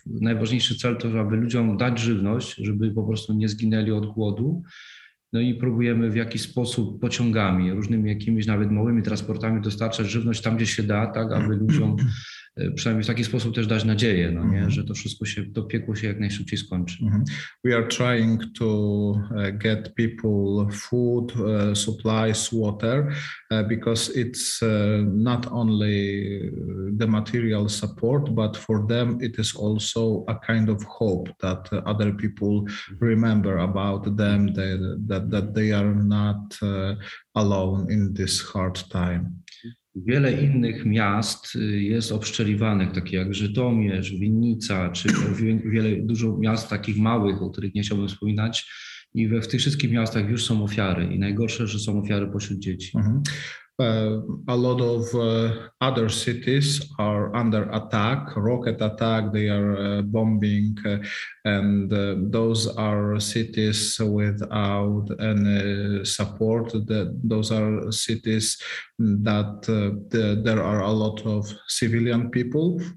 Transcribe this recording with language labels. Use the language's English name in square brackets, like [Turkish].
[Polish] Najważniejszy cel to, żeby ludziom dać żywność, żeby po prostu nie zginęli od głodu. No i próbujemy w jakiś sposób pociągami, różnymi jakimiś nawet małymi transportami dostarczać żywność tam, gdzie się da, tak, aby ludziom przynajmniej w taki sposób też dać nadzieję, no nie, że to wszystko się, to piekło się jak najszybciej skończy. [English] We are trying to get people food, supplies, water, because it's not only the material support, but for them it is also a kind of hope that other people remember about them, that they are not alone in this hard time. [Polish] Wiele innych miast jest obszczeliwanych, takie jak Żytomierz, Winnica, czy wiele, dużo miast takich małych, o których nie chciałbym wspominać. I w tych wszystkich miastach już są ofiary. I najgorsze, że są ofiary pośród dzieci. [English] A lot of other cities are under attack, rocket attack, they are bombing, and those are cities without any support. Those are cities that there are a lot of civilian people.